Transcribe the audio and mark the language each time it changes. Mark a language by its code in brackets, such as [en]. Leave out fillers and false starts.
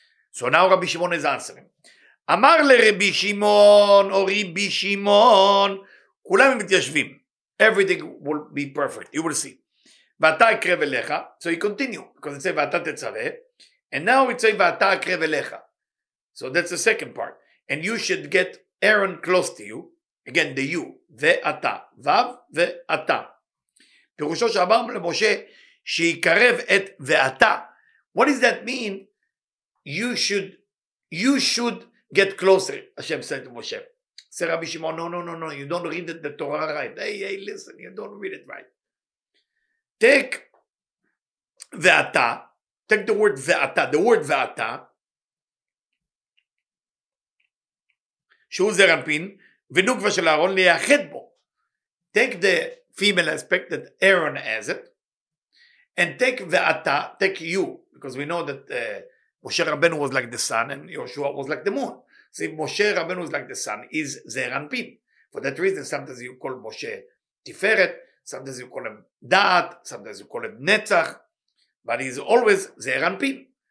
[en] So now Rabbi Shimon is answering. Amar le Rabbi Shimon, or Rabbi Shimon, [he] kulam mityashvim. [en] Everything will be perfect. You will see. [he] Vata akrev elecha. [en] So he continue, because it says [he] vata tetzave. [en] And now it says [he] vata akrev elecha. [en] So that's the second part. And you should get Aaron close to you. Again, the you. Ve'ata. Vav ve'ata. [he] פירושו שאמר למשה שיקרב את ואתה. [en] What does that mean? You should get closer, Hashem said to Moshe. Say Rabbi Shimon, no, you don't read the Torah right. Hey, listen, you don't read it right. Take the word [he] ואתה, the word ואתה, שהוא זר אנפין, ונוקבה של אהרון ליחד בו. [en] Take the female aspect that Aaron has it, and take the ata, take you, because we know that Moshe Rabbeinu was like the sun and Yoshua was like the moon. See, Moshe Rabbeinu is like the sun, is Zeir Anpin. For that reason, sometimes you call Moshe Tiferet, sometimes you call him Da'at, sometimes you call him Netzach, but he's always Zeir Anpin.